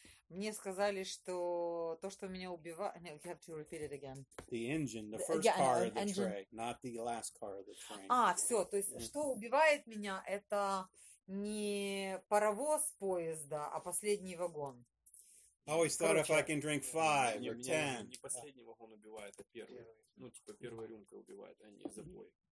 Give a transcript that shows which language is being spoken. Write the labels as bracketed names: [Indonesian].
[Russian] Мне сказали, что то, что меня убивает... [English] No, you have to repeat it again. The engine, the first car of the engine. Train, not the last car of the train. [Russian] А, все, то есть, что убивает меня, это не паровоз поезда, а последний вагон. [English] I always thought if I [Russian] Короче, [English] can drink five or [Russian] меня [English] ten. [Russian] не последний вагон убивает, а первый. Ну, типа, первая рюмка убивает, а не запой.